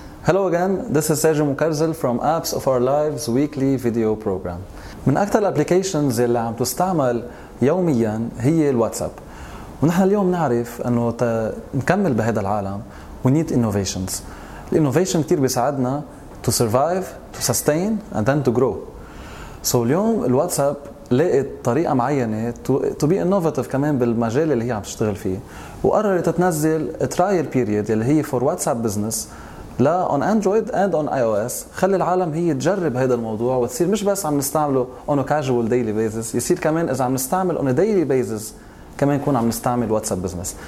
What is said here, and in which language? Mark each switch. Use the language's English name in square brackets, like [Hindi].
[English] Hello again, this is Sergio Mukarzel from Apps of Our Lives weekly video program. [Arabic] من أكثر الابليكيشنز اللي عم تستعمل يوميا هي الواتساب. ونحن اليوم نعرف أنه نكمل بهذا العالم [English] we need innovations. [Arabic] الانوفيشن كتير بيساعدنا [English] to survive, to sustain and then to grow. [Arabic] So اليوم الواتساب لقيت طريقة معينة [English] to be innovative [Arabic] كمان بالمجال اللي هي عم تشتغل فيه وقررت تنزل [English] trial period [Arabic] اللي هي [English] for WhatsApp business [Arabic] لا [English] on Android and on iOS. [Arabic] خلي العالم هي تجرب هذا الموضوع وتصير مش بس عم نستعمله [English] on a casual daily basis, [Arabic] يصير كمان إذا عم نستعمل [English] on a daily basis [Arabic] كمان يكون عم نستعمل WhatsApp business.